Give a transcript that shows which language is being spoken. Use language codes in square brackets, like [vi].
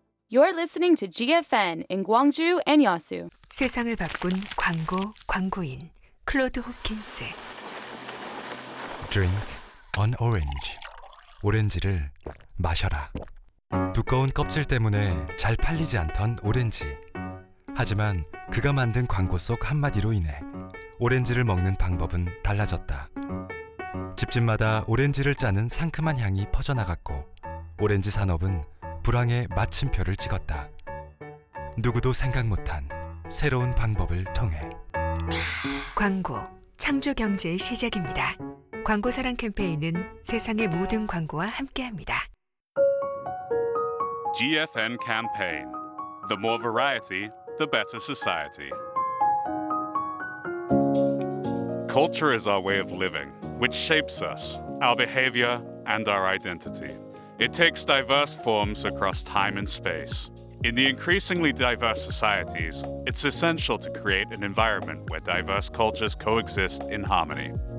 [en] You're listening to GFN in Gwangju and Yeosu. [ko] 세상을 바꾼 광고 광고인 클로드 호킨스. [en] Drink on orange. [ko] 오렌지를 마셔라. 두꺼운 껍질 때문에 잘 팔리지 않던 오렌지. 하지만 그가 만든 광고 속 한마디로 인해 오렌지를 먹는 방법은 달라졌다. 집집마다 오렌지를 짜는 상큼한 향이 퍼져나갔고 오렌지 산업은 불황의 마침표를 찍었다. 누구도 생각 못한 새로운 방법을 통해 광고, 창조경제의 시작입니다. 광고사랑 캠페인은 세상의 모든 광고와 함께합니다. [en] GFN 캠페인 The more variety, the better society. Culture is our way of living, which shapes us, our behavior, and our identity. It takes diverse forms across time and space. In the increasingly diverse societies, it's essential to create an environment where diverse cultures coexist in harmony.